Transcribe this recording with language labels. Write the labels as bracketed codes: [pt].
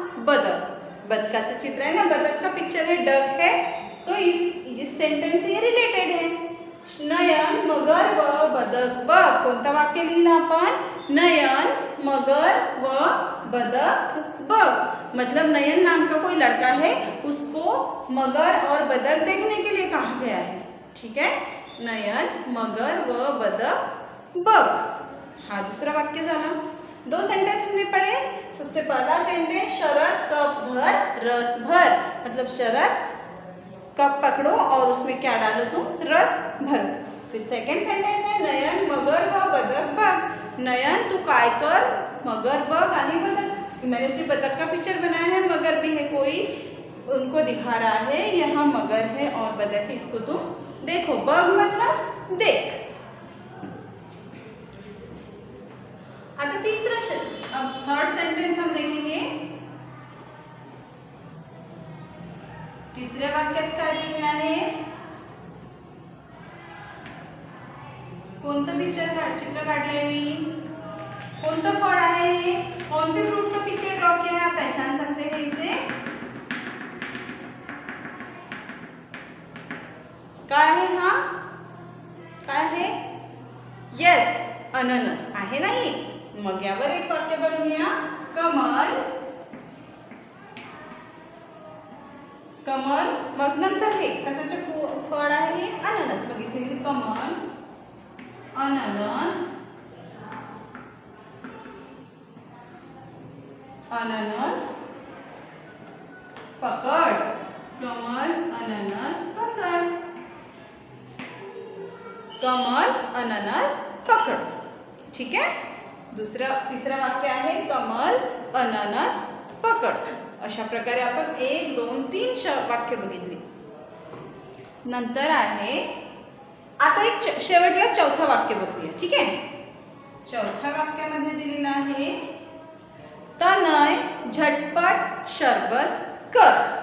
[hi] बदक, [mr] बदकाचं चित्र आहे ना, [hi] बदक का पिक्चर है, डक है, तो इस सेंटेंस ये रिलेटेड है। [mr] नयन मगर व बदक बघ, कोणता वाक्य लिहिलं आपण? [hi] नयन मगर व बदक बघ, मतलब नयन नाम का कोई लड़का है, उसको मगर और बदक देखने के लिए कहा गया है, ठीक है। [mr] नयन मगर व बदक बघ, हा दूसरा वाक्य झाला। [hi] दो सेंटेंस हमने पढ़े। सबसे पहला सेंटेंस, [mr] शरद कप भर रस भर, [hi] मतलब शरद कप पकड़ो और उसमें क्या डालो तुम? रस भरो। फिर सेकंड सेंटेंस है, [mr] नयन मगर व बदक बघ। नयन तू काय कर, मगर बघ आणि बदक, [hi] मैंने सिर्फ बदक का पिक्चर बनाया है, मगर भी है, कोई उनको दिखा रहा है, यहाँ मगर है और बदक है, इसको तुम देखो। बघ मतलब देख। आता तीसरा अब थर्ड सेंटेंस हम देखेंगे। [mr] तीसरे वाक्यात काय लिहिले आहे? कोणतं पिक्चर का चित्र काढलंय मी? कोणतं फळ आहे? [hi] कौन से फ्रूट का पिक्चर ड्रॉ किया है? आप पहचान सकते हैं इसे? [mr] काय आहे हा? काय आहे? यस, अननस आहे ना ही। मग यावर एक वाक्य बनवूया। कमल कमल, मग नंतर हे कशाचे फळ आहे? हे अननस। मग इथे कमल अननस अननस पकड, कमल अननस पकड, कमल अननस पकड, ठीक है। दुसरा तीसरा वाक्य आहे, कमल अननस पकड। अशा प्रकारे आपण एक दोन तीन वाक्य बघितली। नंतर आहे आता एक शेवटला चौथा वाक्य बघूया, ठीक आहे। चौथा वाक्यामध्ये दिलेलं आहे, तनय झटपट शरबत कर।